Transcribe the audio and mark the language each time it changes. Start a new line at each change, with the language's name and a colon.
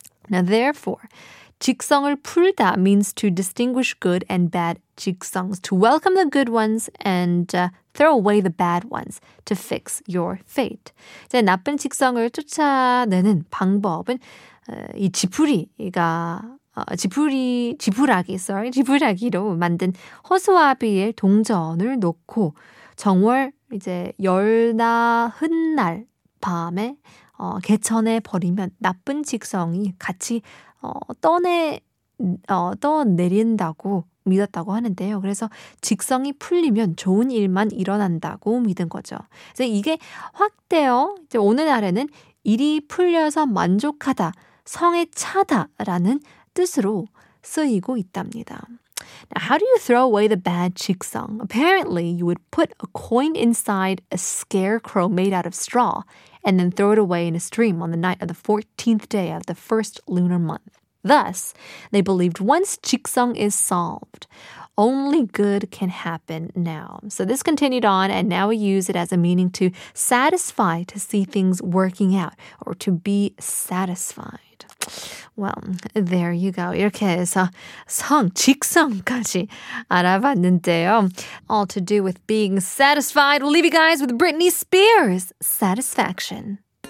English: Now therefore, 직성을 풀다 means to distinguish good and bad 직성s, to welcome the good ones and throw away the bad ones to fix your fate.
Korean: 이제 나쁜 직성을 쫓아내는 방법은 이 지푸리가 지푸라기로 만든 허수아비의 동전을 놓고 정월 이제 열나흔 날 밤에 개천에 버리면 나쁜 직성이 같이 떠내린다고 믿었다고 하는데요. 그래서 직성이 풀리면 좋은 일만 일어난다고 믿은 거죠. 그래서 이게 확대요. 이제 오늘날에는 일이 풀려서 만족하다, 성에 차다라는 뜻으로 쓰이고 있답니다.
English: Now, how do you throw away the bad 직성? Apparently, you would put a coin inside a scarecrow made out of straw and then throw it away in a stream on the night of the 14th day of the first lunar month. Thus, they believed once 직성 is solved, only good can happen now. So this continued on, and now we use it as a meaning to satisfy, to see things working out, or to be satisfied. Well, there you go.
Korean: 이렇게 해서 성, 직성까지 알아봤는데요.
English: All to do with being satisfied. We'll leave you guys with Britney Spears' Satisfaction.